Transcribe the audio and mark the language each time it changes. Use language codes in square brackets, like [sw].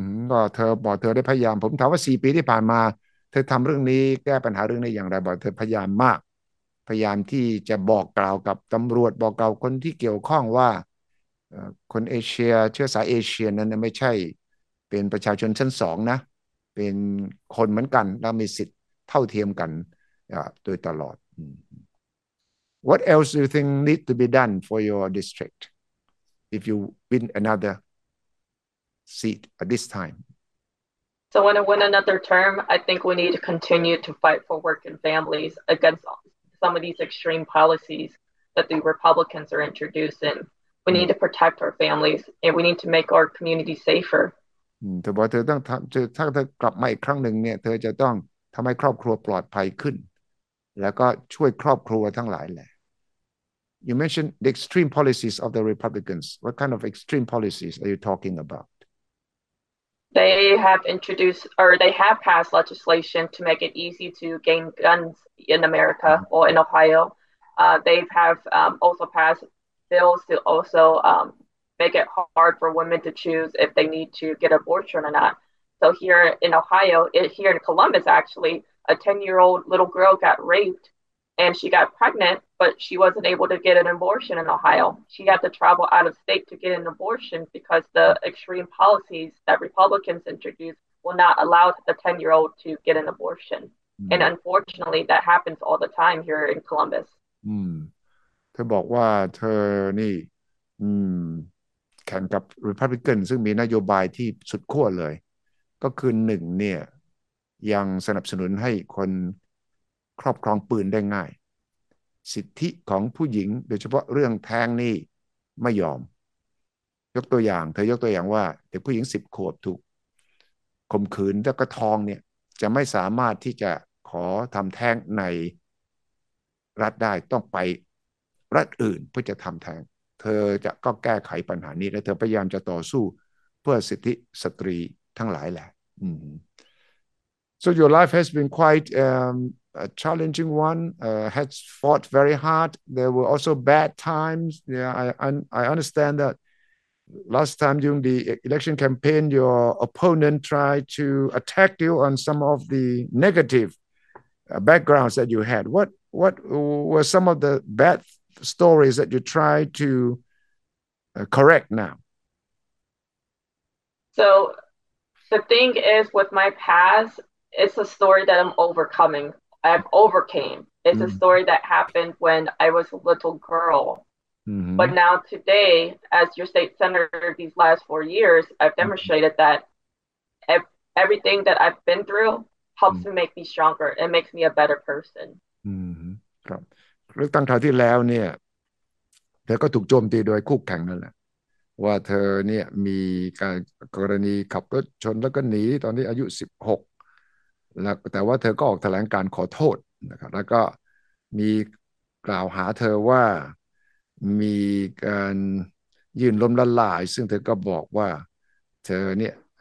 [th] ก็เธอบอกเธอได้พยายามผมถามว่า4 ปีที่ผ่านมาเธอทำเรื่องนี้แก้ปัญหาเรื่องนี้อย่างไรบอกเธอพยายามมากพยายามที่จะบอกกล่าวกับตำรวจบอกกล่าวคนที่เกี่ยวข้องว่า คนเอเชียเชื้อสายเอเชียนั้นไม่ใช่เป็นประชาชนชั้นสองนะเป็นคนเหมือนกันและมีสิทธิ์เท่าเทียมกันโดยตลอด [en] What else do you think need to be done for your district if you win another seat at this time? So when I win another term, I think we need to continue to fight for working families against all. Some of these extreme policies that the Republicans are introducing. We need to protect our families and we need to make our community safer. [th] เธอต้องทำถ้าเธอกลับมาอีกครั้งหนึ่งเนี่ยเธอจะต้องทำให้ครอบครัวปลอดภัยขึ้นแล้วก็ช่วยครอบครัวทั้งหลายแหละ [en] You mentioned the extreme policies of the Republicans. What kind of extreme policies are you talking about? They have introduced or they have passed legislation to make it easy to gain guns. In America or in Ohio, they have also passed bills to also make it hard for women to choose if they need to get abortion or not. So here in Ohio, here in Columbus, actually, a 10-year-old little girl got raped and she got pregnant, but she wasn't able to get an abortion in Ohio. She had to travel out of state to get an abortion because the extreme policies that Republicans introduced will not allow the 10-year-old to get an abortion. And unfortunately, that happens all the time here in Columbus. [th] เธอบอกว่าเธอนี่แข่งกับ Republican ซึ่งมีนโยบายที่สุดขั้วเลยก็คือ1เนี่ยยังสนับสนุนให้คนครอบครองปืนได้ง่ายสิทธิของผู้หญิงโดยเฉพาะเรื่องแท้งนี่ไม่ยอมยกตัวอย่างเธอยกตัวอย่างว่าเด็กผู้หญิง10 ขวบถูกข่มขืนแล้วก็ทองเนี่ยจะไม่สามารถที่จะขอทำแท้งใน รัฐได้ต้องไปรัฐอื่นเพื่อจะทำแท้งเธอจะก็แก้ไขปัญหานี้และเธอพยายามจะต่อสู้เพื่อสิทธิสตรีทั้งหลายแหละ [en] So your life has been quite a challenging one. Has fought very hard. There were also bad times. Yeah, I understand that. Last time during the election campaign, your opponent tried to attack you on some of the negative backgrounds that you had. What were some of the bad stories that you tried to correct now? So the thing is with my past, it's a story that I'm overcoming. I've overcame. It's a story that happened when I was a little girl. Mm-hmm. But now today, as your state senator these last 4 years, I've demonstrated that everything that I've been through helps mm-hmm. make me stronger and makes me a better person. [th] ครับเรื่องตั้งคราวที่แล้วเนี่ยเธอก็ถูกโจมตีโดยคู่แข่งนั่นแหละว่าเธอเนี่ยมีการกรณีขับรถชนแล้วก็หนีตอนที่อายุ16แล้วแต่ว่าเธอก็ออกแถลงการขอโทษนะครับแล้วก็มีกล่าวหาเธอว่ามีการยื่นล้มละลายซึ่งเธอก็บอกว่าเธอเนี่ย